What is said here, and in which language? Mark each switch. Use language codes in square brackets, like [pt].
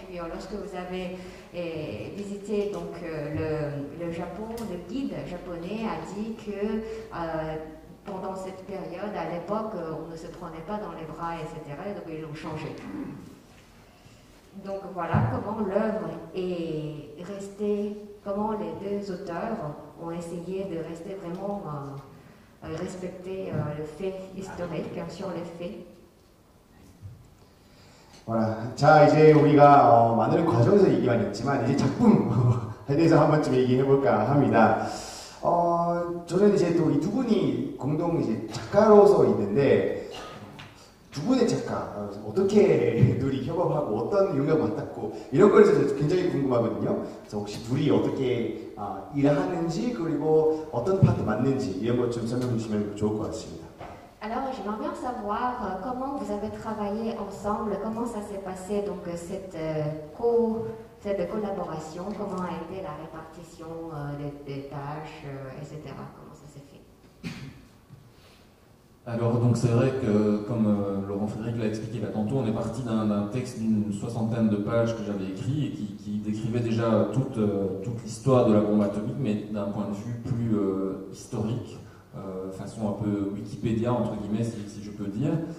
[fr] Et puis, lorsque vous avez visité donc, le Japon, le guide japonais a dit que pendant cette période, à l'époque, on ne se prenait pas dans les bras, etc. Donc ils l'ont changé. Donc voilà comment l'œuvre est restée, comment les deux auteurs ont essayé de rester vraiment respecter le fait historique sur les faits. Voilà. [ko] 자 이제 우리가 많은 과정에서 얘기만 했지만 이제 작품에 대해서 한 번쯤 얘기해 볼까 합니다. 저는 이제 또 이 두 분이 공동 이제 작가로서 있는데 두 분의 작가 어떻게 둘이 협업하고 어떤 영향을 받았고 이런 거에서 굉장히 궁금하거든요. 그래서 혹시 둘이 어떻게 일하는지 그리고 어떤 파트 맞는지 이런 것 좀 설명해 주시면 좋을 것 같습니다. [fr] Alors, j'aimerais bien savoir comment vous avez travaillé ensemble, comment ça s'est passé donc cette collaboration, comment a été la répartition des tâches, etc. Comment ça s'est fait? Alors, donc, c'est vrai que, comme Laurent Frédéric l'a expliqué là tantôt, on est parti d'un texte d'une soixantaine de pages que j'avais écrit et qui décrivait déjà toute l'histoire de la bombe atomique, mais d'un point de vue plus historique, façon un peu Wikipédia, entre guillemets, si je peux dire.